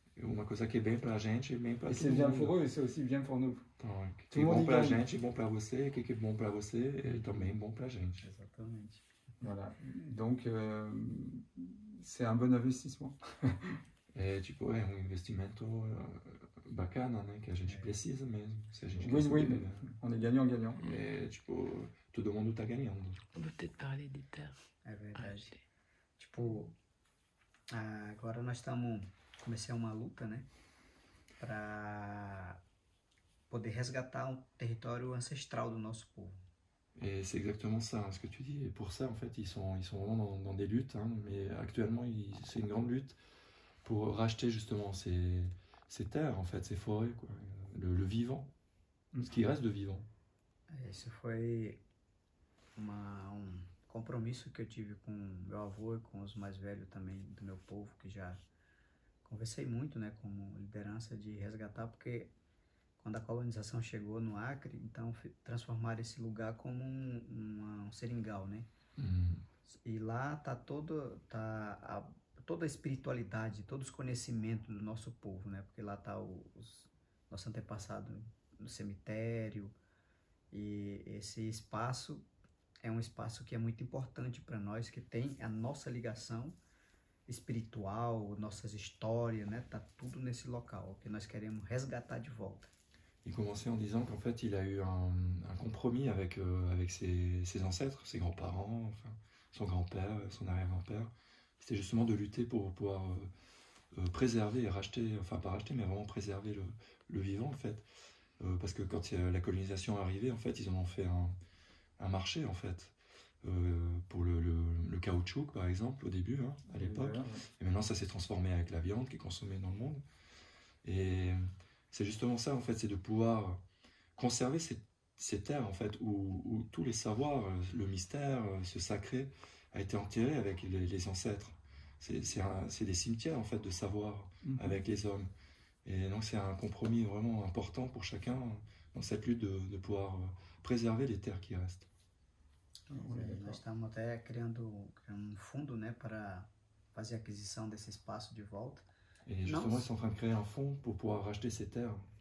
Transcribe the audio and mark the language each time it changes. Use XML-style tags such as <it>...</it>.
<fr>Et une chose qui est bien pour</fr> <pt>la gente,</pt> <fr>est bien pour tout le monde. C'est bien pour eux et c'est aussi bien pour nous. Donc, tout le monde est bon pour</fr> <pt>la gente,</pt> <fr>est bon pour vous, et qui est bon pour vous, est aussi bon pour la gente. Exactement. Voilà. Donc, c'est un bon investissement. Et tu peux, c'est un investissement.</fr> <pt>bacana, né, que a gente precisa mesmo. Se a gente</pt> <en>win-win,</en> <fr>né? On est gagnant-gagnant.</fr> <pt>Mais, tipo, todo mundo tá ganhando.</pt> <fr>On peut peut-être parler des terres.</fr> <pt>É verdade. Ah, tipo, agora nós estamos... Comecei uma luta, né, para poder resgatar um território ancestral do nosso povo.</pt> <fr>Et c'est exactement ça, ce que tu dis. Et pour ça, en fait, ils sont vraiment dans des luttes, hein, mais actuellement, c'est une grande lutte pour racheter justement ces terres, en fait, ces forêts, quoi, le vivant, ce qui reste de vivant.</fr> <pt>Et ce foi un compromisso que eu tive com meu avô e com os mais velhos também do meu povo, que já conversei muito, né, como liderança de resgatar, porque quando a colonização chegou no Acre, então transformaram esse lugar como um seringal, né? Uhum. E lá tá toda a espiritualidade, todos os conhecimentos do nosso povo, né? Porque lá tá os nossos antepassados no cemitério, e esse espaço é um espaço que é muito importante para nós, que tem a nossa ligação espiritual, nossas histórias, né? Tá tudo nesse local, que nós queremos resgatar de volta.</pt> <fr>Il commençait en disant qu'en fait, il a eu un compromis avec ses ancêtres, ses grands-parents, enfin, son grand-père, son arrière-grand-père. C'était justement de lutter pour pouvoir préserver et racheter, enfin pas racheter, mais vraiment préserver le vivant, en fait. Parce que quand la colonisation est arrivée, en fait, ils en ont fait un marché, en fait, pour le caoutchouc, par exemple, au début, hein, à l'époque. Et maintenant, ça s'est transformé avec la viande qui est consommée dans le monde. Et... C'est justement ça, en fait, c'est de pouvoir conserver ces terres, en fait, où tous les savoirs, le mystère, ce sacré, a été enterré avec les ancêtres. C'est des cimetières, en fait, de savoir avec les hommes. Et donc, c'est un compromis vraiment important pour chacun dans cette lutte de pouvoir préserver les terres qui restent.</fr> <pt>Nous estamos até criando un fundo, né, para fazer aquisição desse espaço de volta.</pt> <fr>Et justement, ils sont en train de créer un fonds pour pouvoir racheter ces terres.</fr>